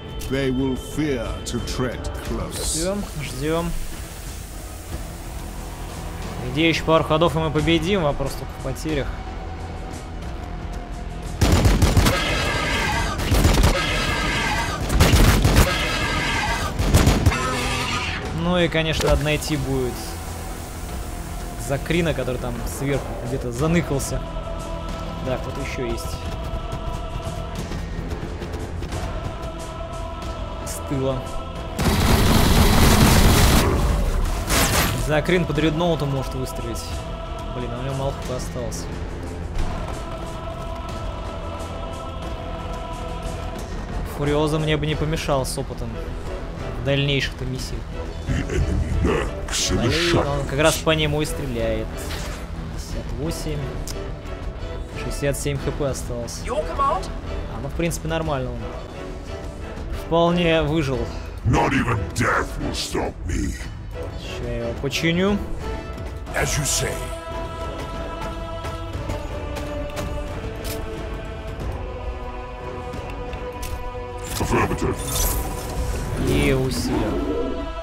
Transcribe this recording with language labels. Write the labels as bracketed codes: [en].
[en] They will fear to tread close. [ru] Ждем, ждем. Где еще пару ходов и мы победим, вопрос только в потерях. Ну и конечно надо найти будет Закрина, который там сверху где-то заныкался. Да, кто-то еще есть. Закрин под редноутом может выстрелить. Блин, а у него мало хп осталось. Фуриоза мне бы не помешал с опытом дальнейших-то миссий. Он как раз по нему и стреляет. 58. 67 хп осталось. А ну, в принципе, нормально он. Вполне выжил. [en] Not even death will stop me. [ru] Сейчас я его починю. [en] As you say. Affirmative. [ru] И усилил.